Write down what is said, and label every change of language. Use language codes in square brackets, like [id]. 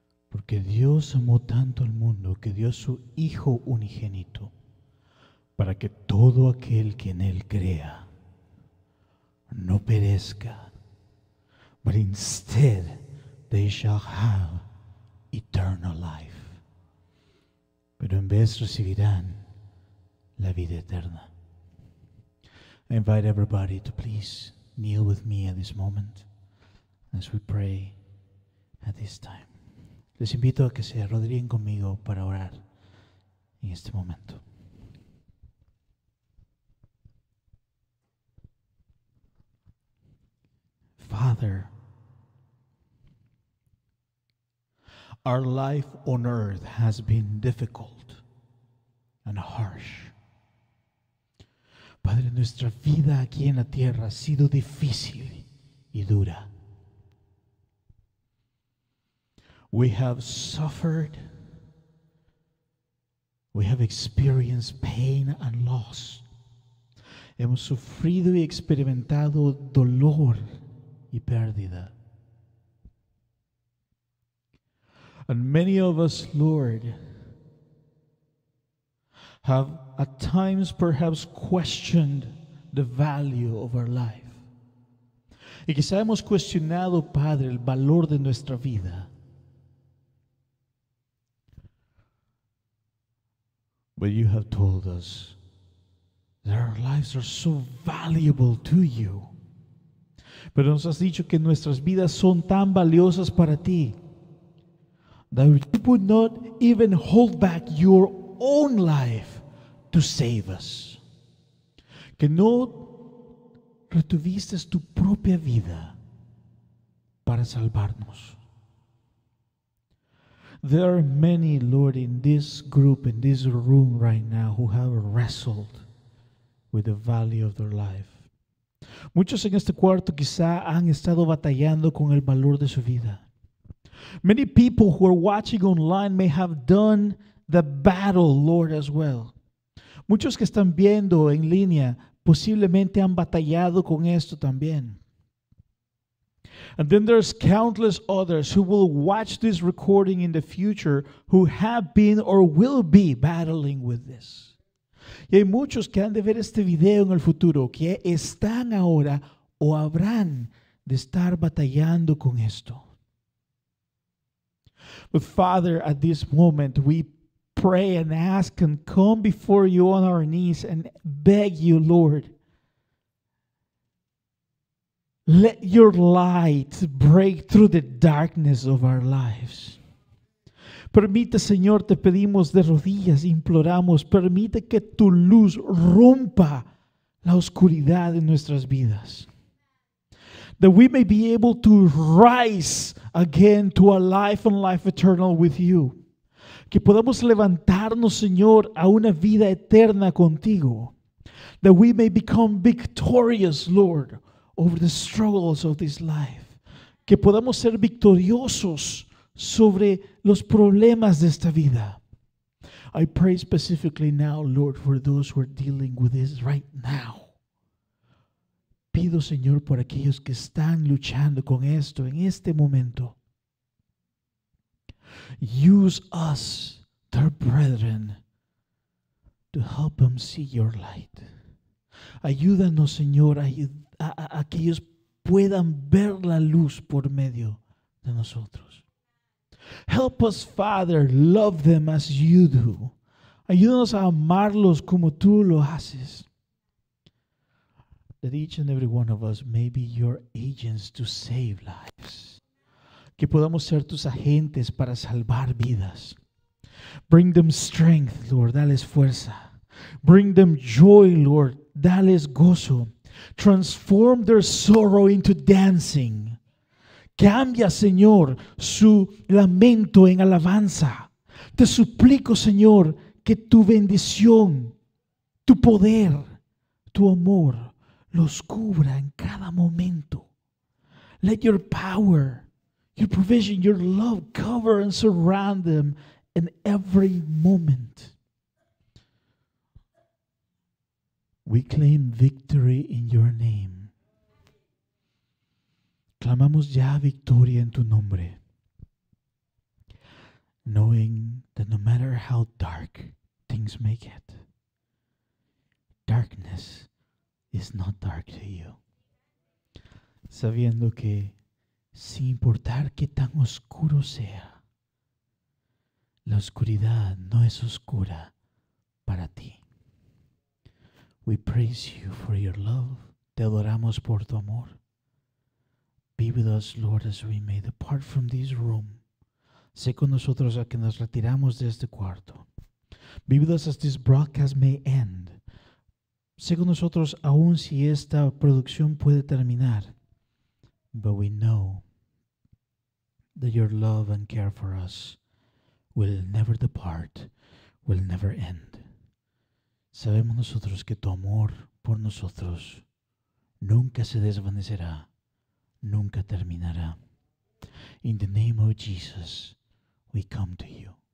[es] Porque Dios amó tanto al mundo que dio a su Hijo unigénito para que todo aquel que en él crea no perezca, [en] but instead they shall have eternal life. [es] Pero en vez recibirán la vida eterna. [en] I invite everybody to please kneel with me at this moment as we pray at this time. [es] Les invito a que se arrodillen conmigo para orar en este momento. [en] Father, our life on earth has been difficult and harsh. [es] Padre, nuestra vida aquí en la tierra ha sido difícil y dura. [en] We have suffered. We have experienced pain and loss. [es] Hemos sufrido y experimentado dolor y pérdida. [en] And many of us, Lord, have at times perhaps questioned the value of our life. [es] Y quizá hemos cuestionado, Padre, el valor de nuestra vida. [en] But you have told us that our lives are so valuable to you. [es] Pero nos has dicho que nuestras vidas son tan valiosas para ti. [en] That you would not even hold back your own life to save us. [es] Que no retuviste tu propia vida para salvarnos. [en] There are many, Lord, in this group, in this room right now, who have wrestled with the value of their life. [es] Muchos en este cuarto quizá han estado batallando con el valor de su vida. [en] Many people who are watching online may have done the battle, Lord, as well. [es] Muchos que están viendo en línea posiblemente han batallado con esto también. [en] And then there's countless others who will watch this recording in the future who have been or will be battling with this. [es] Y hay muchos que han de ver este video en el futuro que están ahora o habrán de estar batallando con esto. [en] But Father, at this moment, we pray and ask and come before you on our knees and beg you, Lord, let your light break through the darkness of our lives. [es] Permite, Señor, te pedimos de rodillas, imploramos, permite que tu luz rompa la oscuridad en nuestras vidas. [en] That we may be able to rise again to a life and life eternal with you. [es] Que podamos levantarnos, Señor, a una vida eterna contigo. [en] That we may become victorious, Lord, over the struggles of this life. [es] Que podamos ser victoriosos sobre los problemas de esta vida. [en] I pray specifically now, Lord, for those who are dealing with this right now. [es] Pido, Señor, por aquellos que están luchando con esto en este momento. [en] Use us to other brethren to help them see your light. [es] Ayúdanos, Señor, a que ellos puedan ver la luz por medio de nosotros. [en] Help us, Father, love them as you do. [es] Ayúdanos a amarlos como tú lo haces. [en] That each and every one of us may be your agents to save lives. [es] Que podamos ser tus agentes para salvar vidas. [en] Bring them strength, Lord. [es] Dales fuerza. [en] Bring them joy, Lord. [es] Dales gozo. [en] Transform their sorrow into dancing. [es] Cambia, Señor, su lamento en alabanza. Te suplico, Señor, que tu bendición, tu poder, tu amor los cubra en cada momento. [en] Let your power, your provision, your love cover and surround them in every moment. We claim victory in your name. [es] Clamamos ya victoria en tu nombre. [en] Knowing that no matter how dark things may get, darkness is not dark to you. [es] Sabiendo que sin importar qué tan oscuro sea, la oscuridad no es oscura para ti. [en] We praise you for your love. [es] Te adoramos por tu amor. [en] Be with us, Lord, as we may depart from this room. [es] Sé con nosotros a que nos retiramos de este cuarto. [en] Be with us as this broadcast may end. [es] Sé con nosotros aún si esta producción puede terminar. [en] But we know that your love and care for us will never depart, will never end. [es] Sabemos nosotros que tu amor por nosotros nunca se desvanecerá, nunca terminará. [en] In the name of Jesus, we come to you.